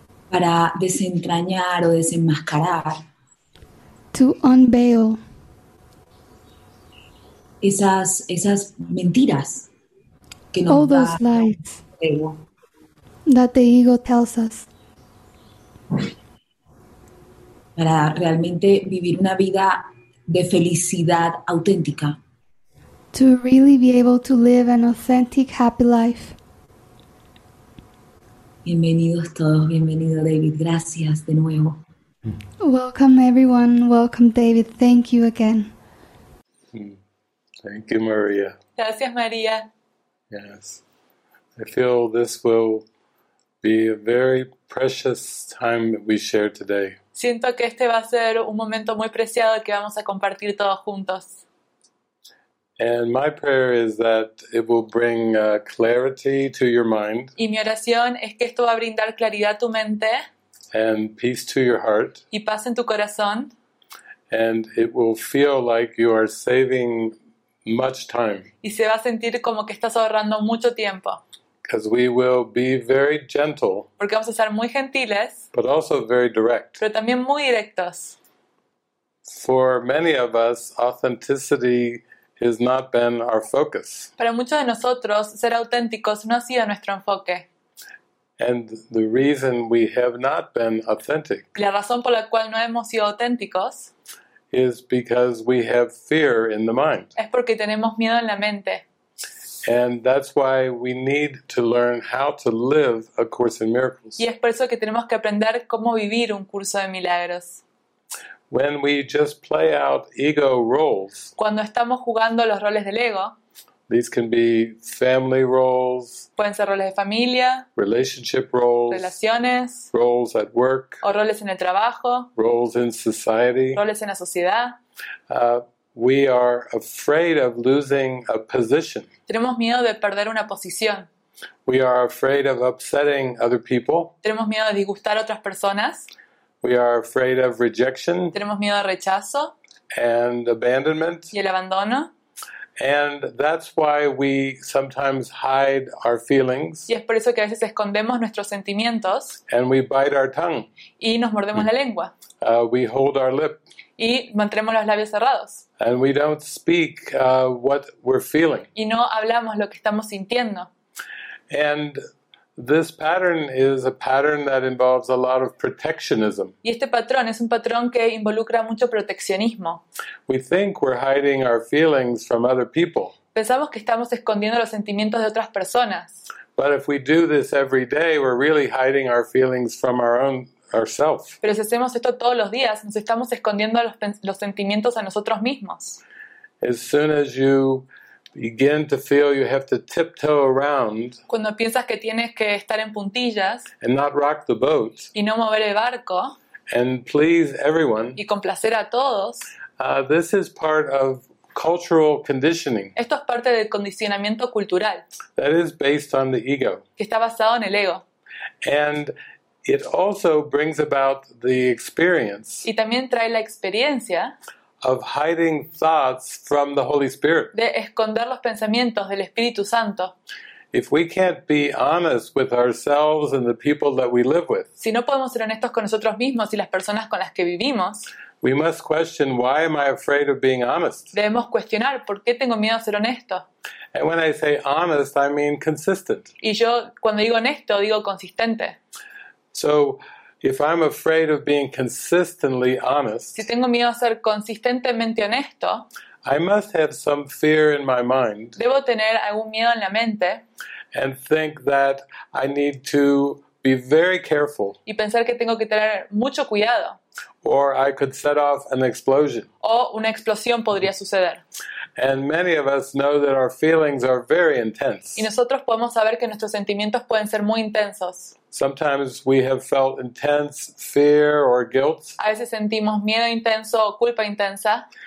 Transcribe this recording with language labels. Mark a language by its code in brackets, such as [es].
[es] Para desentrañar o desenmascarar. [en] To unveil. [es] Esas mentiras que nos [en] all those lies that the ego tells us. [es] Para realmente vivir una vida de felicidad auténtica. [en] To really be able to live an authentic, happy life. [es] Bienvenidos todos, bienvenido David, gracias de nuevo. [en] Welcome everyone, welcome David, thank you again. Thank you, Maria. [es] Gracias, Maria. [en] Yes. I feel this will be a very precious time that we share today. [es] Siento que este va a ser un momento muy preciado que vamos a compartir todos juntos. [en] And my prayer is that it will bring clarity to your mind. [es] Y mi oración es que esto va a brindar claridad a tu mente. [en] And peace to your heart. [es] Y paz en tu corazón. [en] And it will feel like you are saving much time. [es] Y se va a sentir como que estás ahorrando mucho tiempo. [en] Because we will be very gentle. [es] Porque vamos a ser muy gentiles. [en] But also very direct. [es] Pero también muy directos. [en] For many of us, authenticity has not been our focus. [es] Para muchos de nosotros, ser auténticos no ha sido nuestro enfoque. [en] And the reason we have not been authentic, [es] la razón por la cual no hemos sido auténticos, [en] is because we have fear in the mind. [es] Es porque tenemos miedo en la mente. [en] And that's why we need to learn how to live A Course in Miracles. [es] Y es por eso que tenemos que aprender cómo vivir un curso de milagros. [en] When we just play out ego roles, [es] cuando estamos jugando los roles del ego, [en] these can be family roles, [es] pueden ser roles de familia, [en] relationship roles, [es] relaciones, [en] roles at work, [es] o roles en el trabajo, [en] roles in society, [es] roles en la sociedad. [en] We are afraid of losing a position. [es] Tenemos miedo de perder una posición. [en] We are afraid of upsetting other people. [es] Tenemos miedo de disgustar a otras personas. [en] We are afraid of rejection. [es] Tenemos miedo al rechazo. [en] And abandonment. [es] Y el abandono. [en] And that's why we sometimes hide our feelings. [es] Y es por eso que a veces escondemos nuestros sentimientos. [en] And we bite our tongue. [es] Y nos mordemos la lengua. [en] We hold our lip. [es] Y mantenemos los labios cerrados. [en] And we don't speak what we're feeling. [es] Y no hablamos lo que estamos sintiendo. [en] And this pattern is a pattern that involves a lot of protectionism. [es] Y este patrón es un patrón que involucra mucho proteccionismo. [en] We think we're hiding our feelings from other people. [es] Pensamos que estamos escondiendo los sentimientos de otras personas. [en] But if we do this every day, we're really hiding our feelings from our own ourselves. [es] Pero si hacemos esto todos los días, nos estamos escondiendo los sentimientos a nosotros mismos. [en] As soon as you begin to feel you have to tiptoe around, [es] cuando piensas que tienes que estar en puntillas, [en] and not rock the boat, [es] y no mover el barco, [en] and please everyone, [es] y complacer a todos, [en] this is part of cultural conditioning. [es] Esto es parte del condicionamiento cultural. [en] That is based on the ego. [es] Que está basado en el ego. [en] And it also brings about the experience. [es] Y también trae la experiencia. [en] Of hiding thoughts from the Holy Spirit. [es] De esconder los pensamientos del Espíritu Santo. [en] If we can't be honest with ourselves and the people that we live with, [es] si no podemos ser honestos con nosotros mismos y las personas con las que vivimos, [en] we must question, why am I afraid of being honest? [es] Debemos cuestionar, ¿por qué tengo miedo a ser honesto? [en] And when I say honest, I mean consistent. [es] Y yo, cuando digo honesto, digo consistente. [en] So, if I'm afraid of being consistently honest, [es] si tengo miedo a ser consistentemente honesto, [en] I must have some fear in my mind. [es] Debo tener algún miedo en la mente. [en] And think that I need to be very careful. [es] Y pensar que tengo que tener mucho cuidado. [en] Or I could set off an explosion. [es] O una explosión podría suceder. [en] And many of us know that our feelings are very intense. [es] Y nosotros podemos saber que nuestros sentimientos pueden ser muy intensos. [en] Sometimes we have felt intense fear or guilt. [es] A veces sentimos miedo intenso o culpa intensa.